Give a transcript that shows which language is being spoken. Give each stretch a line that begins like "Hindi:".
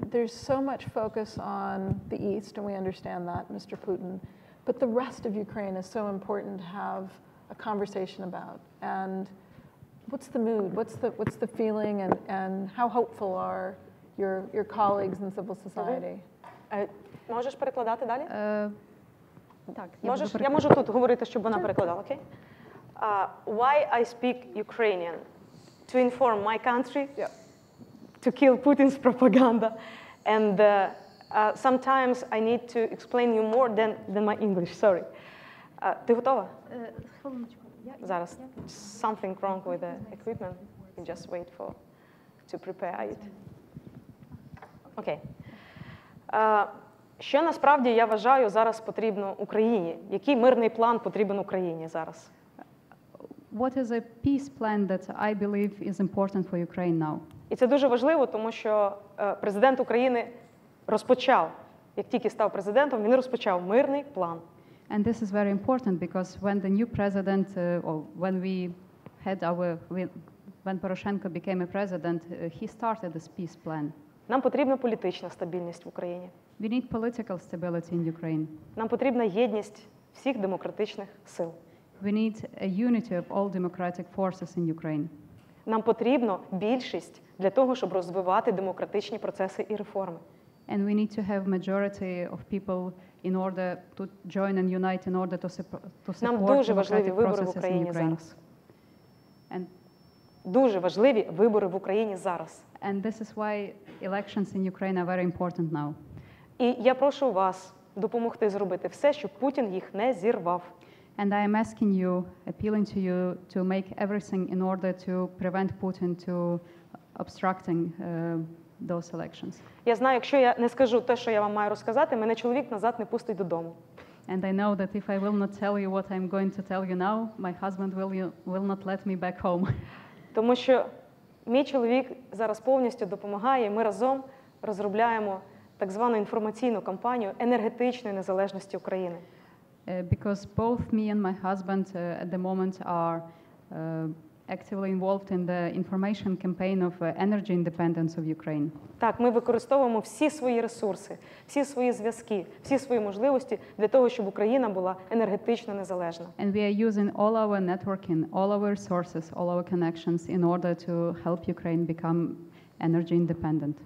English: There's so much focus on the East, and we understand that, Mr. Putin. But the rest of Ukraine is so important to have a conversation about. And what's the mood? What's the feeling? And how hopeful are your colleagues in civil society?
Ukrainian: Можеш перекладати далі? Так, я можу тут говорити, щоб вона перекладала, окей?
English: Why I speak Ukrainian? To inform my country, to kill Putin's propaganda, and sometimes I need to explain you more than my English, sorry.
Ukrainian: Ти готова? Хвилиночку. Зараз.
English: Something wrong with the equipment. You just wait for to prepare it. Окей.
Ukrainian: Що насправді я вважаю зараз потрібно Україні? Який мирний план потрібен Україні зараз?
English: What is a peace plan that I believe is important for Ukraine now?
Ukrainian: І це дуже важливо, тому що президент України розпочав, як тільки став президентом, він розпочав мирний план.
English: And this is very important because when the new president or when we had our when Poroshenko became a president, he started this peace plan.
Ukrainian: Нам потрібна політична стабільність в Україні.
English: We need political stability in Ukraine.
Ukrainian: Нам потрібна єдність всіх демократичних сил.
English: We need a unity of all democratic forces in Ukraine.
Ukrainian: Нам потрібно більшість для того, щоб розвивати демократичні процеси і реформи.
English: And we need to have majority of people in order to join and unite in order to support
Ukrainian: Нам дуже важливі вибори в Україні зараз.
English: And
Ukrainian: дуже важливі вибори в Україні зараз.
English: And this is why elections in Ukraine are very important now.
Ukrainian: І я прошу вас допомогти зробити все, щоб Путін їх не зірвав.
English: And I am asking you, appealing to you, to make everything in order to prevent Putin to obstructing those elections.
Ukrainian: Я знаю, якщо я не скажу те, що я вам маю розказати, мене чоловік назад не пустить додому.
English: And I know that if I will not tell you what I'm going to tell you now, my husband will not let me back home.
Ukrainian: Тому що мій чоловік зараз повністю допомагає, ми разом розробляємо так звану інформаційну кампанію енергетичної незалежності України.
English: Because both me and my husband at the moment are actively involved in the information campaign of energy independence of Ukraine.
Ukrainian: Так, ми використовуємо всі свої ресурси, всі свої зв'язки, всі свої можливості для того, щоб Україна була енергетично незалежна.
English: And we are using all our networking, all our resources, all our connections in order to help Ukraine become energy independent.